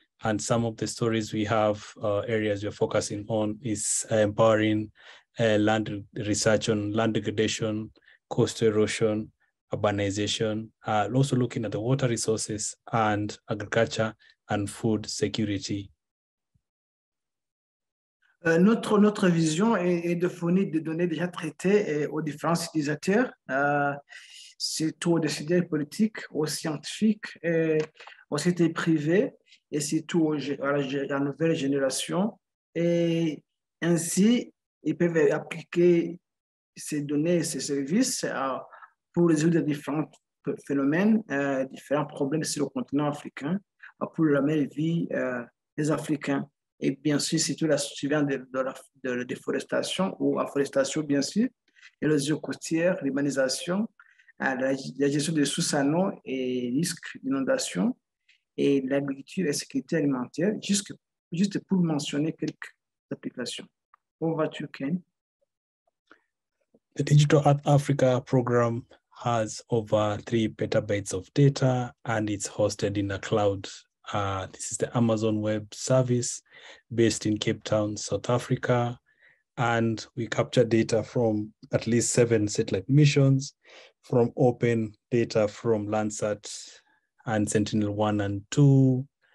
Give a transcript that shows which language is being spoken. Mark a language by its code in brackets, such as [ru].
[en] And some of the stories we have, areas we're focusing on is empowering land research on land degradation, coastal erosion, urbanization, also looking at the water resources and agriculture and food security. [fr] Notre vision est de fournir des données déjà traitées aux différents utilisateurs, surtout aux décideurs politiques, aux scientifiques, aux sociétés privées et surtout à la nouvelle génération. Et ainsi, ils peuvent appliquer ces données et ces services pour résoudre différents phénomènes, différents problèmes sur le continent africain, pour la meilleure vie des Africains. et bien sûr, surtout la suivante de la déforestation ou afforestation, bien sûr, et les eaux côtières, l'urbanisation, la gestion des sources en eau et risques d'inondation, et l'agriculture et la sécurité alimentaire, juste pour mentionner quelques applications. Au revoir, Ken. [en] The Digital Earth Africa program has over 3 petabytes of data and it's hosted in a cloud. This is the Amazon Web Service based in Cape Town, South Africa. And we capture data from at least 7 satellite missions, from open data from Landsat and Sentinel 1 and 2.